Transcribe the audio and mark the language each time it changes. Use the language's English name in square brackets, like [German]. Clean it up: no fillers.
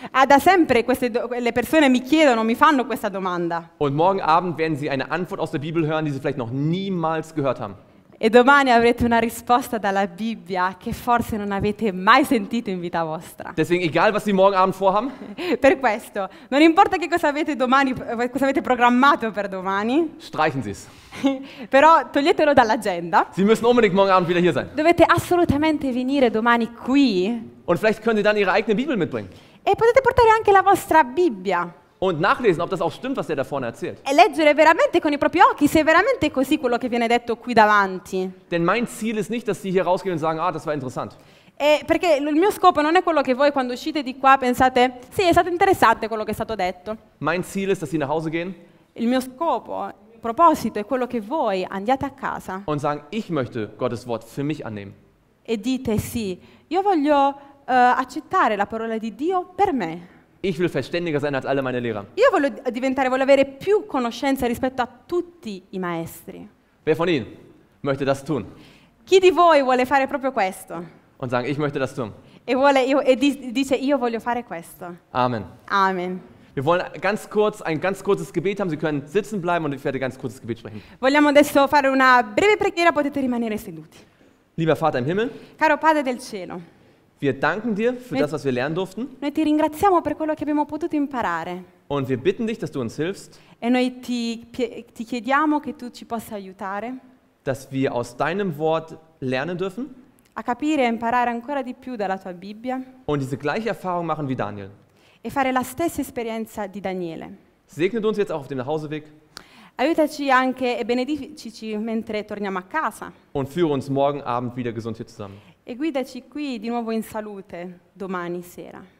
[Italian] Ah, da sempre queste le persone mi chiedono, mi fanno questa domanda. [German] Und morgen Abend werden Sie eine Antwort aus der Bibel hören, die Sie vielleicht noch niemals gehört haben. [Italian] E domani avrete una risposta dalla Bibbia che forse non avete mai sentito in vita vostra. [German] Deswegen egal was Sie morgen Abend vorhaben. [Italian] Per questo, non importa che cosa avete domani, cosa avete programmato per domani. [German] Streichen Sie es. [Italian] Però toglietelo dall'agenda. [German] Sie müssen unbedingt morgen Abend wieder hier sein. [Italian] Dovete assolutamente venire domani qui. [German] Und vielleicht können Sie dann Ihre eigene Bibel mitbringen. [Italian] E potete portare anche la vostra Bibbia. [German] Und nachlesen, ob das auch stimmt, was der da vorne erzählt. [Italian] E leggere veramente con i propri occhi se è veramente così quello che viene detto qui davanti. [German] Denn mein Ziel ist nicht, dass Sie hier rausgehen und sagen, ah, das war interessant. [Italian] E perché il mio scopo non è quello che voi quando uscite di qua pensate, sì, è stato interessante quello che è stato detto. [German] Mein Ziel ist, dass Sie nach Hause gehen. [Italian] Il mio scopo, il proposito è quello che voi andiate a casa. [German] Und sagen, ich möchte Gottes Wort für mich annehmen. [Italian] E dite sì, io voglio accettare la parola di Dio per me. [German] Ich will verständiger sein als alle meine Lehrer. [Italian] Io voglio diventare, voglio avere più conoscenza rispetto a tutti i maestri. [German] Wer von Ihnen möchte das tun? [Italian] Chi di voi vuole fare proprio questo? [German] Und sagen, ich möchte das tun. [Italian] E vuole, dice, io voglio fare questo. [German] Amen. [Italian] Amen. [German] Wir wollen ganz kurz ein ganz kurzes Gebet haben. Sie können sitzen bleiben und ich werde ganz kurzes Gebet sprechen. [Italian] Vogliamo adesso fare una breve preghiera. Potete rimanere seduti. [German] Lieber Vater im Himmel. [Italian] Caro Padre del cielo. [German] Wir danken dir für das, was wir lernen durften. [Italian] Noi ti ringraziamo per quello che abbiamo potuto imparare. [German] Und wir bitten dich, dass du uns hilfst. [Italian] E noi ti chiediamo che tu ci possa aiutare. [German] Dass wir aus deinem Wort lernen dürfen. [Italian] A capire e imparare ancora di più dalla tua Bibbia. [German] Und diese gleiche Erfahrung machen wie Daniel. [Italian] E fare la stessa esperienza di Daniele. [German] Segnet uns jetzt auch auf dem Nachhauseweg. [Italian] Aiutaci anche e benedicici mentre torniamo a casa. [German] Und führe uns morgen Abend wieder gesund hier zusammen. [Italian] E guidaci qui di nuovo in salute domani sera.